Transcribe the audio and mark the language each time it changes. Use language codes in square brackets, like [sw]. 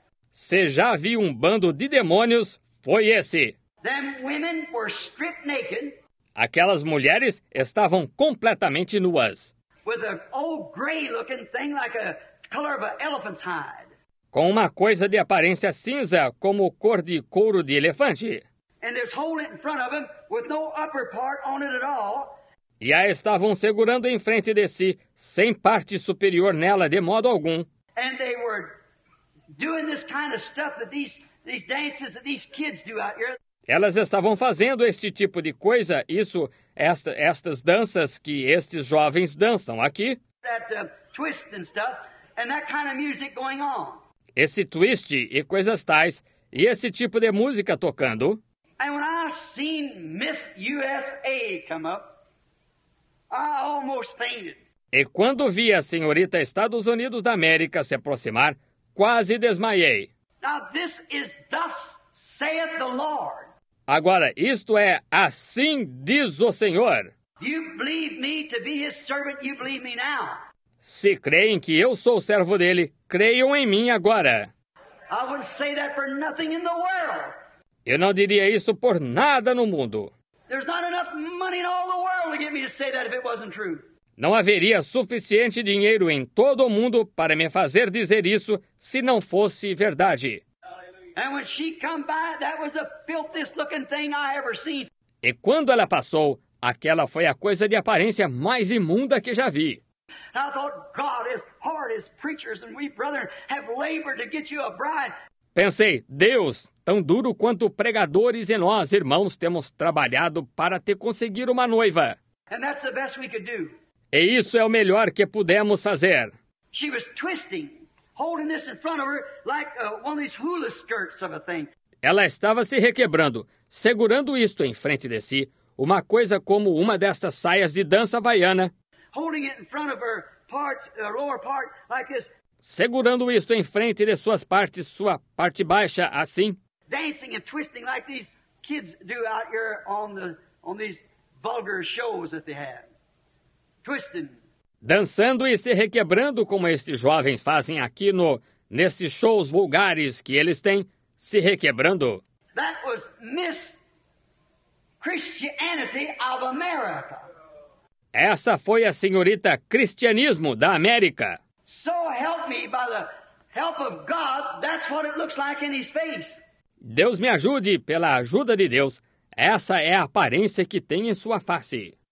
[pt] Se já vi um bando de demônios, foi esse. [en] Them women were stripped naked. [pt] Aquelas mulheres estavam completamente nuas. [en] With an old gray-looking thing like a color of an elephant's hide. [pt] Com uma coisa de aparência cinza, como cor de couro de elefante. [en] And there's holding in front of them with no upper part on it at all. [pt] E a estavam segurando em frente de si, sem parte superior nela de modo algum. [en] And they were doing this kind of stuff that these dances that these kids do out here. [pt] Elas estavam fazendo esse tipo de coisa, isso, estas danças que estes jovens dançam aqui. [en] That, twist and stuff, and that kind of music going on. [pt] Esse twist e coisas tais, e esse tipo de música tocando. [en] And when I seen Miss USA come up, I almost fainted. [pt] E quando vi a senhorita Estados Unidos da América se aproximar, quase desmaiei. [en] Now this is thus saith the Lord. [pt] Agora, isto é, assim diz o Senhor. [en] You believe me to be his servant, you believe me now. [pt] Se creem que eu sou o servo dele, creiam em mim agora. [en] I wouldn't say that for nothing in the world. [pt] Eu não diria isso por nada no mundo. [en] There's not enough money in all the world to get me to say that if it wasn't true. [pt] Não haveria suficiente dinheiro em todo o mundo para me fazer dizer isso se não fosse verdade. [en] And when she come by, that was the filthiest looking thing I ever seen. [pt] E quando ela passou, aquela foi a coisa de aparência mais imunda que já vi. [en] I thought, God, as hard as preachers and we brethren have labored to get you a bride. [pt] Pensei, Deus, tão duro quanto pregadores e nós, irmãos, temos trabalhado para te conseguir uma noiva. [en] And that's the best we could do. [pt] E isso é o melhor que pudemos fazer. [en] She was twisting. Holding this in front of her like one of these hula skirts of a thing. [pt] Ela estava se requebrando, segurando isto em frente de si, uma coisa como uma destas saias de dança havaiana. [en] Holding it in front of her parts, lower part, like this. [pt] Segurando isto em frente de suas partes, sua parte baixa, assim. [en] Dancing and twisting like these kids do out here on these vulgar shows that they have. Twisting. [pt] Dançando e se requebrando como estes jovens fazem aqui no nesses shows vulgares que eles têm, se requebrando. [en] That was Miss Christianity of America. [pt] Essa foi a senhorita Cristianismo da América. [en] So help me by the help of God, that's what it looks like in his face. [pt] Deus me ajude pela ajuda de Deus. Essa é a aparência que tem em sua face.